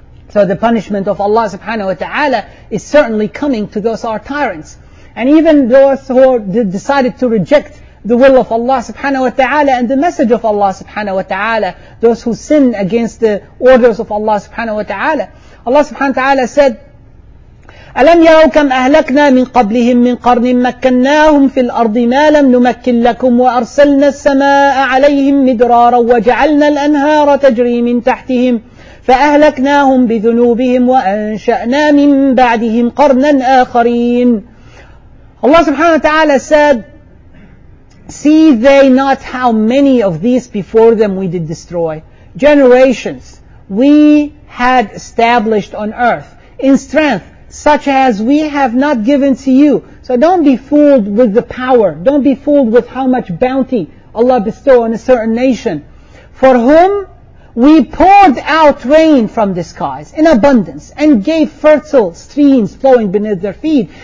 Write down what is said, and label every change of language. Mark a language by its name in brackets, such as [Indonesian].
[English] So the punishment of Allah subhanahu wa ta'ala is certainly coming to those who are tyrants. And even those who decided to reject the will of Allah subhanahu wa ta'ala and the message of Allah subhanahu wa ta'ala, those who sin against the orders of Allah subhanahu wa ta'ala. Allah subhanahu wa ta'ala said, [Arabic] أَلَمْ يَرَوْا كَمْ أَهْلَكْنَا مِنْ قَبْلِهِمْ مِنْ قَرْنٍ مَكَّنَّاهُمْ فِي الْأَرْضِ مَا لَمْ نُمَكِّنْ لَكُمْ وَأَرْسَلْنَا السَّمَاءَ عَلَيْهِمْ مِدْرَارًا وَجَعَلْنَا الْأَنْهَارَ تَجْرِي مِنْ تَحْتِهِمْ فَأَهْلَكْنَاهُمْ بِذُنُوبِهِمْ وَأَنْشَأْنَا مِنْ بَعْدِهِمْ قَرْنًا آخَرِينَ. [English] Allah subhanahu wa ta'ala said, see they not how many of these before them we did destroy? Generations we had established on earth in strength, such as we have not given to you. So don't be fooled with the power. Don't be fooled with how much bounty Allah bestow on a certain nation. For whom we poured out rain from the skies in abundance and gave fertile streams flowing beneath their feet.